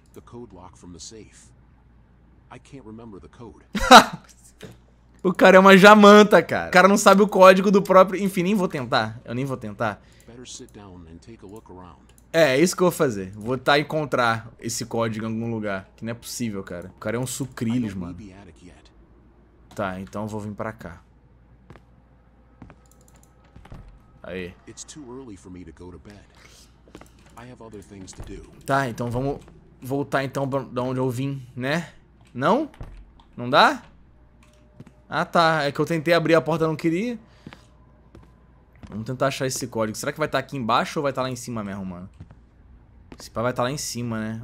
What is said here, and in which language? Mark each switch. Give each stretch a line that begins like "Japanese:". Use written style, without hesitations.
English: The code lock from the safe. I can't remember the code.
Portuguese: O cara é uma jamanta, cara. O cara não sabe o código do próprio... Enfim, nem vou tentar. Eu nem vou tentar.
English: Better sit down and take a look around.
Portuguese: É, é isso que eu vou fazer. Vou tentar encontrar esse código em algum lugar. Que não é possível, cara. O cara é um sucrilhos, mano. Tá, então eu vou vir pra cá. Aí.
English: It's too early for me to go to bed. I have other things to do.
Portuguese: Tá, então vamos voltar então de onde eu vim, né? Não? Não dá? Ah, tá. É que eu tentei abrir a porta, não queria. Vamos tentar achar esse código. Será que vai estar aqui embaixo ou vai estar lá em cima mesmo, mano? Esse pai vai estar lá em cima, né?